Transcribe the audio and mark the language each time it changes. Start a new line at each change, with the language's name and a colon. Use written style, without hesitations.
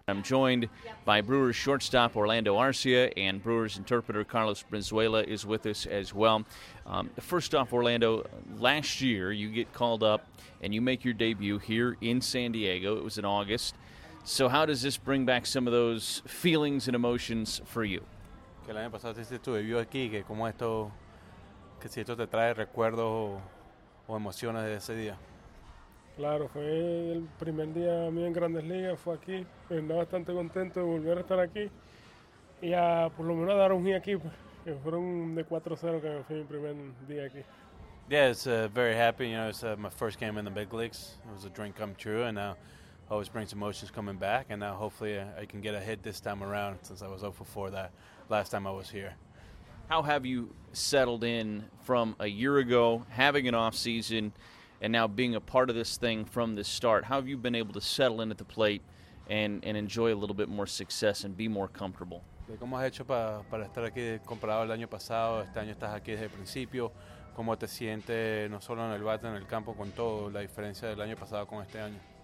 English: I'm joined by Brewers shortstop Orlando Arcia, and Brewers interpreter Carlos Brizuela is with us as well. First off, Orlando, last year you get called up and you make your debut here in San Diego. It was in August. So how does this bring back some of those feelings and emotions for you?
Spanish: Que el año pasado hiciste tu debut aquí, que como esto, que si esto te trae recuerdos o emociones de ese día. Claro, fue el primer día mío en Grandes Ligas, fue aquí. Estaba bastante contento de volver a estar aquí y a por lo menos a dar un hit aquí, que fueron de 4-0 que fue mi primer día aquí.
English: Yeah, it's very happy. You know, it's my first game in the big leagues. It was a dream come true, and now always brings emotions coming back. And now hopefully I can get a hit this time around since I was 0-4 that last time I was here. How have you settled in from a year ago, having an off season? And now being a part of this thing from the start, how have you been able to settle in at the plate and enjoy a little bit more success and be more comfortable?
Spanish: ¿Cómo has hecho para estar aquí comparado al año pasado? Este año estás aquí desde el principio. ¿Cómo te sientes no solo en el bate, en el campo, con todo, la diferencia del año pasado con este año?